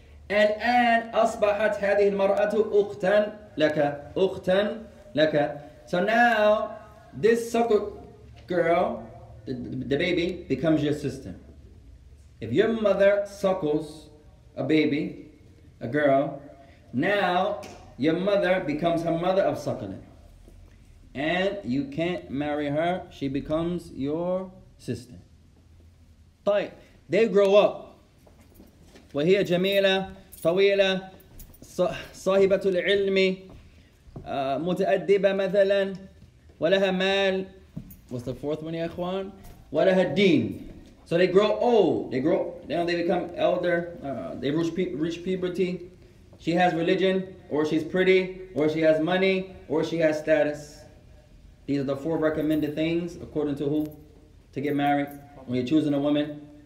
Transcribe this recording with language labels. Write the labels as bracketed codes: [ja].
[ar] And الآن أصبحت هذه المرأة أختاً لك أختاً لك. [en] So now this suckle girl, the baby, becomes your sister. If your mother suckles a baby, a girl, now your mother becomes her mother of suckling. And you can't marry her, she becomes your sister. طيب, they grow up. [ar] وهي جميلة, طويلة, صاحبة العلم, متأدبة مثلا, ولها مال. [en] What's the fourth one, [ar] يا إخوان? ولها دين. [en] So they grow old, they grow, now they become elder, they reach puberty. She has religion, or she's pretty, or she has money, or she has status. These are the 4 recommended things, according to who? To get married, when you're choosing a woman.